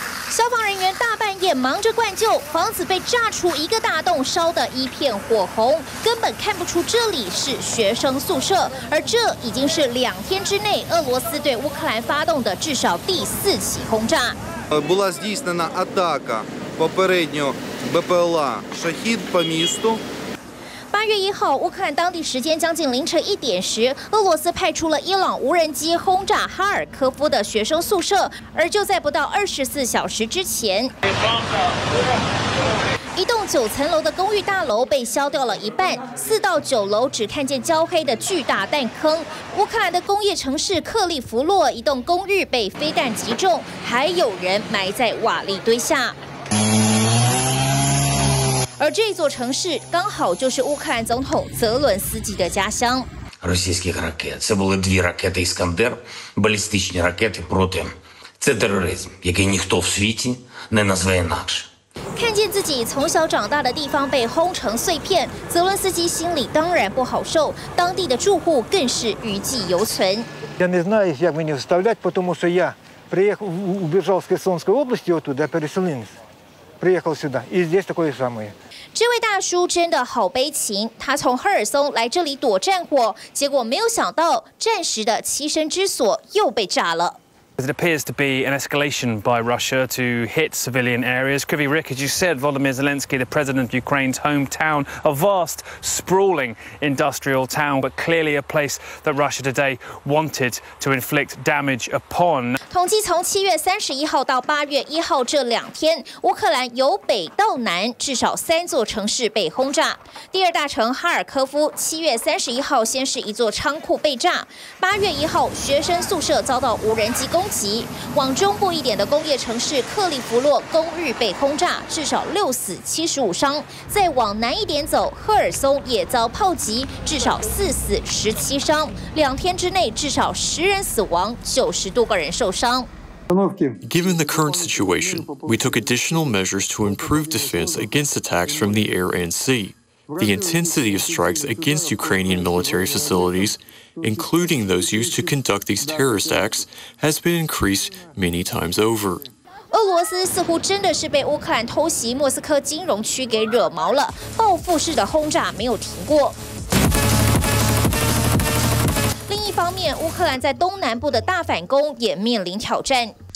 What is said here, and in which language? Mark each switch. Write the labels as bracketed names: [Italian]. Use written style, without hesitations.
[Chinese] 消防人员大半夜忙着灌救，房子被炸出一个大洞，烧得一片火红，根本看不出这里是学生宿舍。而这已经是2天之内俄罗斯对乌克兰发动的至少4起轰炸。 [Ukrainian] Була здійснена атака попереднього БПЛА Шахід по місту。 [Chinese] 8月1号，乌克兰当地时间将近凌晨1点时，俄罗斯派出了伊朗无人机轰炸哈尔科夫的学生宿舍。而就在不到24小时之前，一栋9层楼的公寓大楼被削掉了一半，4到9楼只看见焦黑的巨大弹坑。乌克兰的工业城市克利弗洛，一栋公寓被飞弹击中，还有人埋在瓦砾堆下。而这座城市刚好就是乌克兰总统泽伦斯基的家乡。 [Ukrainian] Російських ракет, це були 2 ракети Іскандер, балістичні ракети проти. Це тероризм, який ніхто в світі не назве інакше. [Chinese] 看见自己从小长大的地方被轰成碎片，泽伦斯基心里当然不好受，当地的住户更是余悸犹存。 [Ukrainian] Я не знаю, як мені вставлять, тому що я приїхав у Бежав з Херсонської області, отуда переселенець. [Russian] приехал сюда, и здесь такое самое. [Chinese] 这位大叔真的好悲情，他从赫尔松来这里躲战火，结果没有想到战时的栖身之所又被炸了。 [English] It appears to be an escalation by Russia to hit civilian areas. Kryvyi Rih, as you said, Volodymyr Zelensky, the president of Ukraine's hometown, a vast, sprawling industrial town, but clearly a place that Russia today wanted to inflict damage upon. [Chinese] 统计从7月31号到8月1号这2天，乌克兰由北到南至少3座城市被轰炸。第二大城哈尔科夫7月31号先是一座仓库被炸，8月1号学生宿舍遭到无人机攻击，往中部一点的工业城市克利弗洛公寓被轰炸，至少6死75伤。再往南一点走，赫尔松也遭炮击，至少4死17伤。 2天之内至少10人死亡，90多个人受伤。 [English] Given the current situation, we took additional measures to improve defense against attacks from the air and sea. The intensity of strikes against Ukrainian military facilities, including those used to conduct these terrorist acts, has been increased many times over. [Chinese] 俄罗斯似乎真的是被乌克兰偷袭莫斯科金融区给惹毛了，报复式的轰炸没有停过。方面，乌克兰在东南部的大反攻也面临挑战。